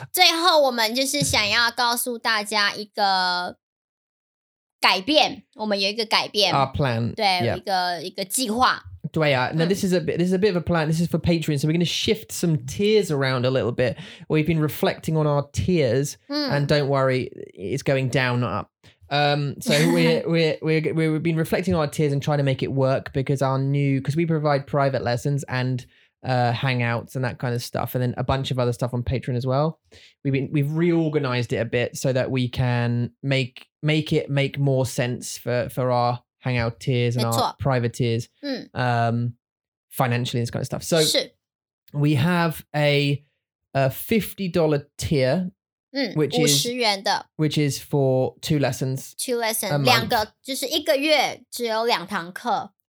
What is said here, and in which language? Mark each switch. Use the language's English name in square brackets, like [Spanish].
[Chinese] 最后，我们就是想要告诉大家一个改变。我们有一个改变。 [English] Our plan， [Chinese] 对， [English] yeah. [Chinese] 一个计划。对啊。 [English] Now this is a bit of a plan. This is for Patreon. So we're going to shift some tiers around a little bit. We've been reflecting on our tiers, and don't worry, it's going down, not up. So we've been reflecting on our tiers and trying to make it work because we provide private lessons and. Hangouts and that kind of stuff and then a bunch of other stuff on Patreon as well we've reorganized it a bit so that we can make it make more sense for our hangout tiers and our private tiers financially and this kind of stuff so we have a $50 tier which is for two lessons [Chinese] 两个就是一个月只有两堂课